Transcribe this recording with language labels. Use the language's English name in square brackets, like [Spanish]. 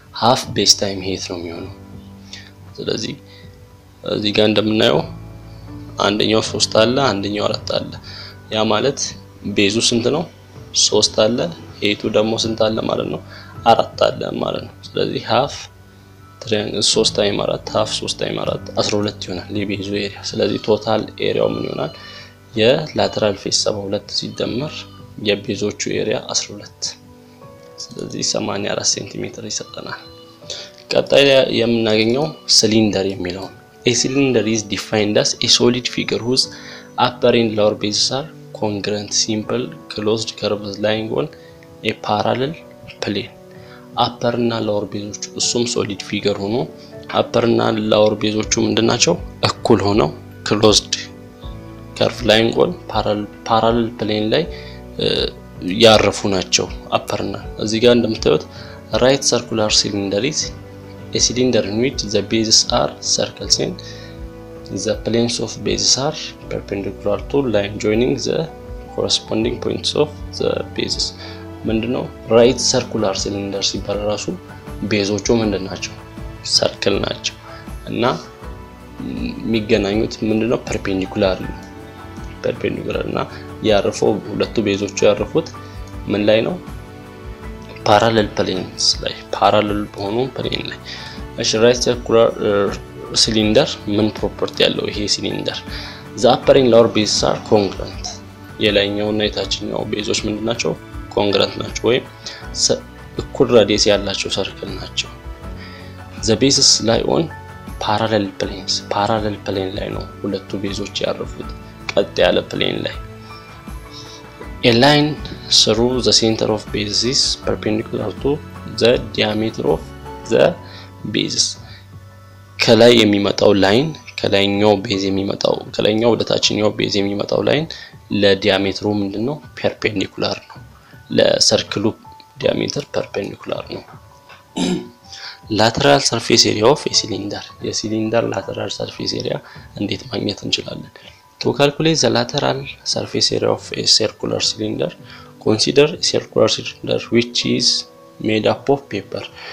[English] half base time height [Amharic] ነው የሚሆነው። ስለዚህ እዚህ ጋር እንደምናየው አንደኛው 3 አለ አንደኛው 4 አለ። ያ ማለት ቤዙ ስንት ነው? 3 አለ height-ቱ ደግሞ ስንት አለ ማለት ነው? 4 አለ ማለት ነው። ስለዚህ half triangle 3 time 4 half 3 time 4 12 ይሆናል የቤዙ ኤሪያ። ስለዚህ ቶታል ኤሪያው ምን ይሆናል? የላተራል ፌስ 72 ሲደመር የቤዞቹ ኤሪያ 12 ስለዚህ 84 ሴንቲሜትር ይሰጠናል። ቀጣይ የምናገኘው ሲሊንደር የሚለው [English] a cylinder is defined as a solid figure whose upper and lower bases are congruent simple closed curved lying on a parallel plane upper and lower bases እሱም solid figure ሆኖ upper and lower bases-ዎቹ ምንድናቸው? [Amharic] እኩል ሆነው [English] closed curved lying on parallel plane [Amharic] ላይ ያረፉ ናቸው አፐርና። [English] እዚህ ጋር እንደምታዩት right circular cylinder is a cylinder in which the bases are circles and the planes of bases are perpendicular to line joining the corresponding points of the bases. [Amharic] ምንድነው right circular cylinder ሲባል? ራሱ ቤዞቹ ምንድናቸው? circle ናቸው እና የሚገናኙት ምንድነው? perpendicular ነው። perpendicular እና ያርፎ ሁለቱ ቤዞቹ ያርፉት ምን ላይ ነው? parallel planes ላይ parallel ሆኖ plane ላይ። እሺ right circular cylinder ምን property ያለው ይሄ cylinder? [English] the upper and lower bases are congruent [Amharic] የላይኛው እና የታችኛው ቤዞች ምንድናቸው? [English] congruent [Amharic] ናቸው ወይ እኩል radius ያላቸው circle ናቸው። [English] the bases lie on parallel planes parallel plane [Amharic] ላይ ነው ሁለቱ ቤዞች ያርፉት ቀጥ ያለ plane ላይ። [English] A line through the center of base is perpendicular to the diameter of the bases. [Amharic] ከላይ የሚመጣው line ከላይኛው base የሚመጣው ከላይኛው ወደታችኛው base የሚመጣው line ለዲያሜትሩ ምንድነው? perpendicular ነው። ለሰርክሉ ዲያሜትር perpendicular ነው። [English] lateral surface area of a cylinder [Amharic] የሲሊንደር lateral surface area እንዴት ማግኘት እንችላለን? [English] To calculate the lateral surface area of a circular cylinder, consider a circular cylinder which is made up of paper.